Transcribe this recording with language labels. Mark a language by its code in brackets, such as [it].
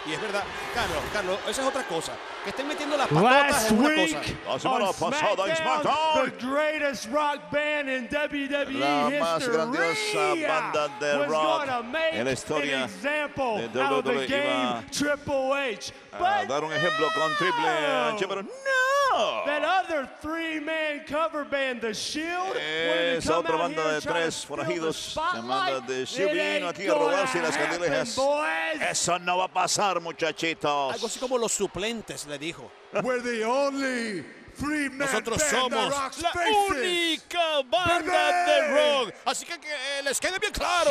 [es] Y es verdad, Carlos, esa es otra cosa. Que estén metiendo las patotas es una cosa. La semana pasada en SmackDown, [en] the greatest rock band in WWE [es] la [en] history, [es] más grandiosa banda de rock en la historia de WWE, [en] out of the game, Triple H. [es] A dar un ejemplo con Triple H, pero no. [en] That other three-man cover band, The Shield, [es] esa otra banda de tres forajidos, la banda de Shield, vino aquí a robarse las candilejas. Eso no va a pasar, muchachitos. Algo así como los suplentes, le dijo. [en] We're the only three-man band. [es] Nosotros somos la única banda de rock. Así que les quede bien claro.